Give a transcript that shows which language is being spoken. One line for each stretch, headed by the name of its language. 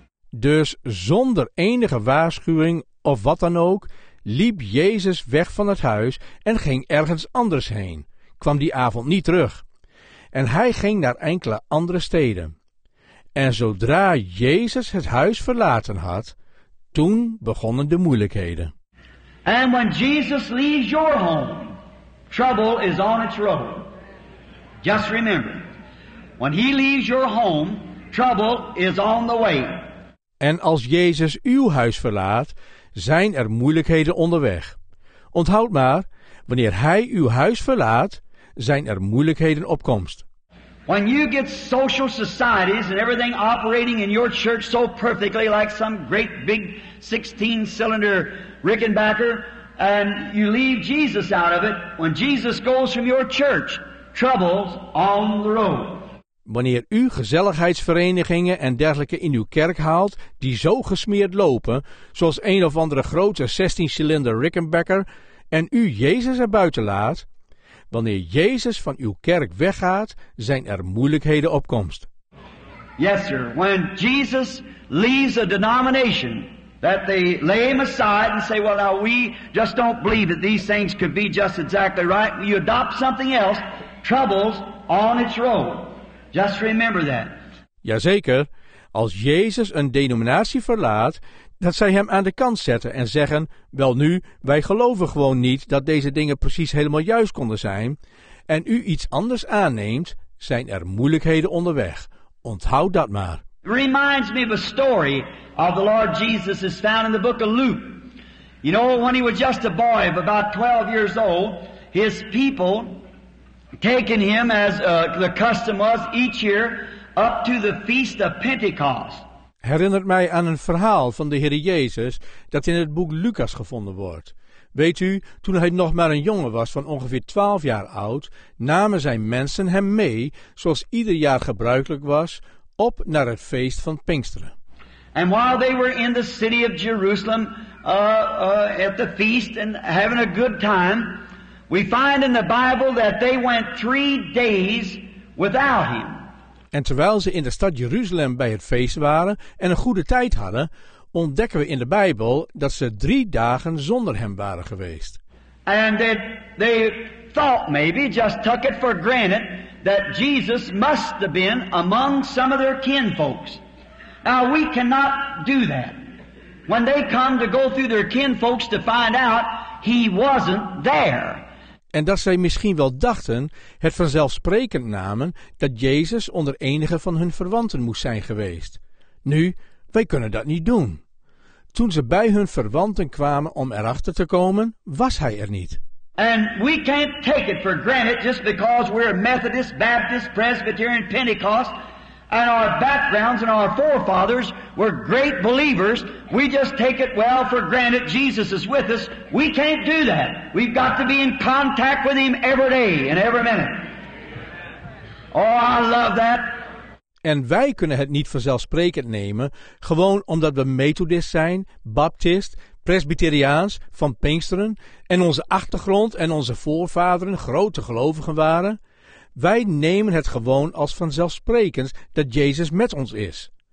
Dutch: Dus zonder enige waarschuwing of wat dan ook, liep Jezus weg van het huis en ging ergens anders heen. Kwam die avond niet terug. En hij ging naar enkele andere steden. En zodra Jezus het huis verlaten had, toen begonnen de moeilijkheden.
English: And when Jesus leaves your home, trouble is on its road. Just remember, when he leaves your home, trouble is on the way.
Dutch: En als Jezus uw huis verlaat, zijn er moeilijkheden onderweg. Onthoud maar, wanneer hij uw huis verlaat, zijn er moeilijkheden op komst.
English: When you get social societies and everything operating in your church so perfectly like some great big 16-cylinder Rickenbacker, and you leave Jesus out of it, when Jesus goes from your church, trouble's on the road.
Dutch: Wanneer u gezelligheidsverenigingen en dergelijke in uw kerk haalt die zo gesmeerd lopen, zoals een of andere grote 16-cylinder Rickenbacker, en u Jezus er buiten laat, wanneer Jezus van uw kerk weggaat, zijn er moeilijkheden op komst.
English: Yes, sir. When Jesus leaves a denomination that they lay him aside and say, well, now we just don't believe that these things could be just exactly right. You adopt something else, trouble's on its road. Just remember that.
Dutch: Jazeker. Als Jezus een denominatie verlaat, dat zij hem aan de kant zetten en zeggen, wel nu, wij geloven gewoon niet dat deze dingen precies helemaal juist konden zijn, en u iets anders aanneemt, zijn er moeilijkheden onderweg. Onthoud dat maar.
English: Reminds me of a story of the Lord Jesus is found in the book of Luke. You know, when he was just a boy of about 12 years old, his people taking him as the custom was each year up to the feast of Pentecost.
Dutch: Herinnert mij aan een verhaal van de Heer Jezus dat in het boek Lucas gevonden wordt. Weet u, toen hij nog maar een jongen was van ongeveer 12 jaar oud, namen zijn mensen hem mee, zoals ieder jaar gebruikelijk was, op naar het feest van Pinksteren.
English: And while they were in the city of Jerusalem at the feast and having a good time, we find in the Bible that they went 3 days without him.
Dutch: En terwijl ze in de stad Jeruzalem bij het feest waren en een goede tijd hadden, ontdekken we in de Bijbel dat ze 3 dagen zonder hem waren geweest.
English: And they thought maybe, just took it for granted, that Jesus must have been among some of their kinfolks. Now we cannot do that. When they come to go through their kinfolks to find out, he wasn't there.
Dutch: En dat zij misschien wel dachten, het vanzelfsprekend namen, dat Jezus onder enige van hun verwanten moest zijn geweest. Nu, wij kunnen dat niet doen. Toen ze bij hun verwanten kwamen om erachter te komen, was hij er niet.
English: And we can't take it for granted just because we're Methodist, Baptist, Presbyterian, Pentecost, and our backgrounds and our forefathers were great believers. We just take it well for granted Jesus is with us. We can't do that. We've got to be in contact with him every day and every minute. Oh, I love that.
Dutch: En wij kunnen het niet vanzelfsprekend nemen, gewoon omdat we Methodist zijn, Baptist, Presbyteriaans, van Pinksteren, en onze achtergrond en onze voorvaderen grote gelovigen waren. Wij nemen het gewoon als vanzelfsprekend dat Jezus met ons is.